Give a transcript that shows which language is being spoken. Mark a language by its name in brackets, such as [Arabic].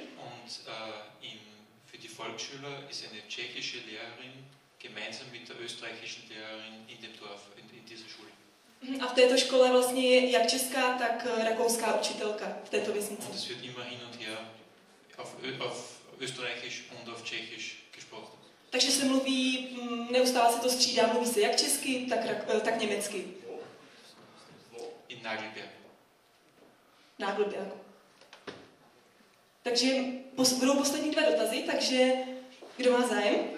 [German] Und für die Volksschüler ist eine tschechische Lehrerin gemeinsam mit der österreichischen Lehrerin in dem Dorf, in dieser Schule. [Czech] A v této škole vlastně je jak česká, tak rakouská učitelka v této vesnici. [German] Und es wird immer hin und her auf österreichisch und auf tschechisch gesprochen. [Czech] Takže se mluví, neustále se to střídá, mluví se jak česky, tak německy. [German] In Nagelberg. [Czech] Takže budou poslední dva dotazy, takže kdo má zájem?